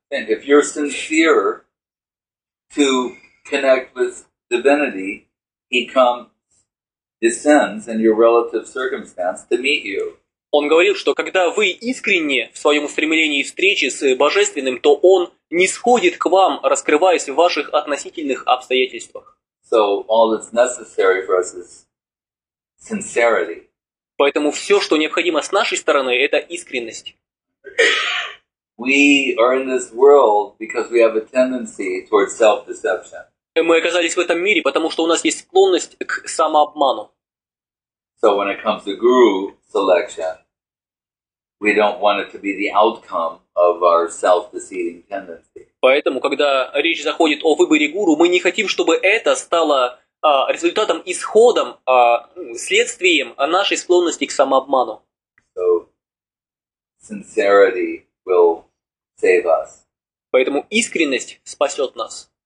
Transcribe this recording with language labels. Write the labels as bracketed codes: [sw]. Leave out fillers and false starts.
[en] And if you're sincere to connect with divinity, he comes, descends in your relative circumstance to meet you. [ru] Он говорил, что когда вы искренне в своем стремлении встречи с Божественным, то он нисходит к вам, раскрываясь в ваших относительных обстоятельствах. [en] So all that's necessary for us is sincerity. [ru] Поэтому все, что необходимо с нашей стороны, это искренность. Мы оказались в этом мире, потому что у нас есть склонность к самообману. [en] So when it comes to guru selection, we don't want it to be the outcome of our self-deceiving tendencies. [ru] Поэтому, когда речь заходит о выборе гуру, мы не хотим, чтобы это стало результатом, исходом, следствием нашей склонности к самообману. [en] So, sincerity will save us. [ru] Поэтому искренность спасет нас.